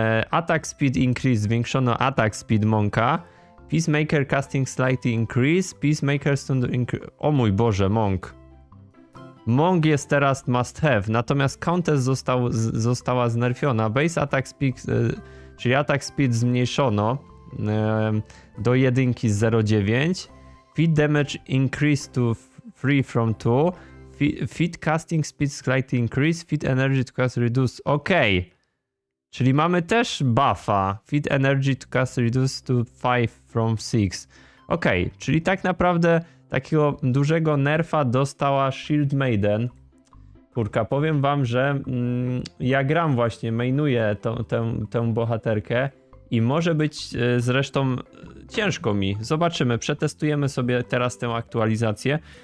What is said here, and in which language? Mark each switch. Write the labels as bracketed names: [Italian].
[English] Attack Speed Increase. [Polish] Zwiększono [English] Attack Speed Monka. Peacemaker Casting Slightly Increase. Peacemaker Stun Increase. [Polish] O mój Boże, Monk. Monk jest teraz must have. Natomiast Countess została znerfiona. Base Attack Speed, czyli Attack Speed zmniejszono do jedynki z 0,9. [English] Feed damage increase to 3 from 2. Feed casting speed slightly increase. Feed energy to cast reduce. Ok. [Polish] Czyli mamy też buffa. [English] Feed energy to cast reduce to 5 from 6. Ok. [Polish] Czyli tak naprawdę takiego dużego nerfa dostała Shield Maiden. Kurka, powiem wam, że ja gram właśnie, mainuję tę bohaterkę. I może być zresztą ciężko mi. Zobaczymy, przetestujemy sobie teraz tę aktualizację.